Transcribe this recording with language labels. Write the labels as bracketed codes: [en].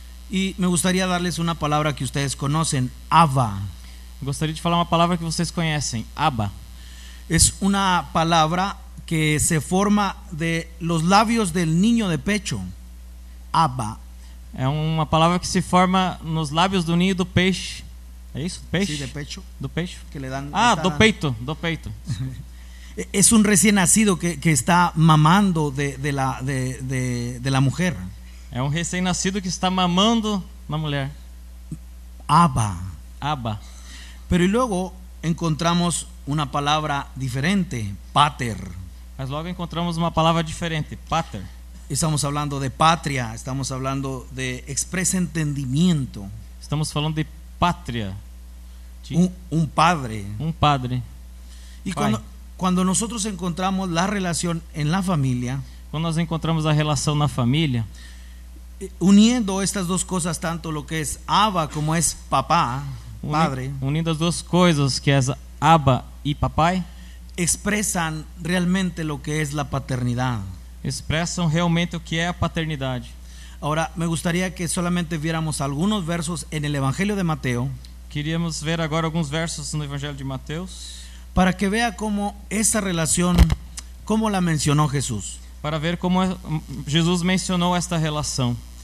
[es] E me gustaría darles una palabra que ustedes conocen, Abba. [pt] Gostaria de falar uma palavra que vocês conhecem, Abba. [es] Es una palabra que se forma de los labios del niño de pecho. Abba. [pt] É uma palavra que se forma nos lábios do ninho do peixe. É isso? Peixe? [es] Sí, de pecho. [pt] Do peixe? [es] Que le dan, [pt] ah, do peito. Do peito. É um recém-nascido que está mamando [es] de la [pt] mulher. É um recém-nascido que está mamando na mulher. [es] Abba. [pt] Abba. [es] Pero y luego encontramos una palabra diferente, pater. [pt] Mas logo encontramos uma palavra diferente, pater. [es] Estamos hablando de patria, estamos hablando de expreso entendimiento. [pt] Estamos falando de pátria. Um padre. Um padre. E quando [es] nosotros encontramos la relación en la familia, [pt] quando nós encontramos a relação na família, [es] uniendo estas dos cosas, tanto lo que es Abba como es papá, padre, [pt] unindo as duas coisas, que é Abba e papai, expressam realmente [es] lo que es la paternidad. [pt] Expressam realmente o que é a paternidade. [es] Ahora me gustaría que solamente viéramos algunos versos en el Evangelio de Mateo. [pt] Queríamos ver agora alguns versos no Evangelho de Mateus [es] para que vea como esa relación, como la mencionó Jesús. [pt] Para ver como Jesus mencionou esta relação.